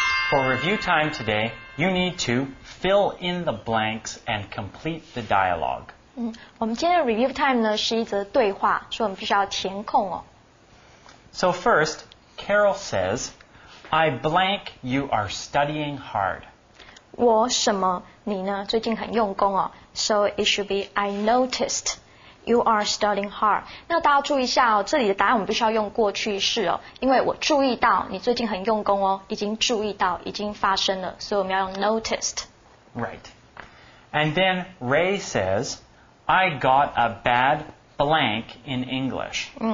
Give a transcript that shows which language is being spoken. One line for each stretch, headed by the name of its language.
English: For review time today, you need to fill in the blanks and complete the dialogue.
Chinese: 我们今天的 review time 呢是一则对话，所以我们必须要填空哦。
English: So first, Carol says, I blank you are studying hard.
Chinese: 我什么你呢最近很用功哦。
English: So it should be, I noticed you are studying hard.
Chinese: 那大家注意一下哦，这里的答案我们必须要用过去式哦，因为我注意到你最近很用功哦，已经注意到，已经发生了，所以我们要用 noticed.
English: Right. And then Ray says,I got a bad blank in English.